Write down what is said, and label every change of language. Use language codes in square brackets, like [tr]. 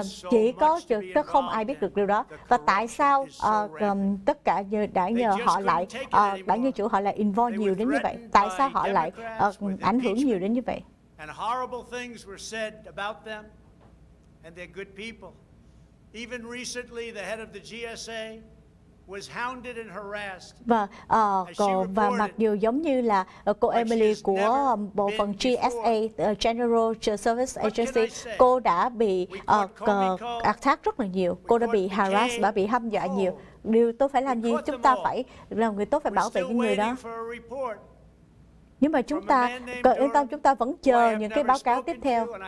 [vi] Chỉ có không ai biết được điều đó. Và tại sao tất cả đã nhờ họ lại đảng Dân Chủ họ lại involve nhiều đến như vậy? Tại sao họ lại ảnh hưởng nhiều đến như vậy? [en] And horrible things were said about them and they're good people. Even recently the head of the GSA was hounded and harassed. [vi] Và mặc dù giống như là cô Emily của bộ phận GSA, General Service Agency, cô đã bị attack rất là nhiều. Cô đã bị harassed, đã bị hâm dọa nhiều. Điều tôi phải làm gì? Chúng ta phải làm người tốt, phải bảo vệ những người đó. Nhưng mà chúng ta, yên tâm, chúng ta vẫn chờ những cái báo cáo tiếp theo.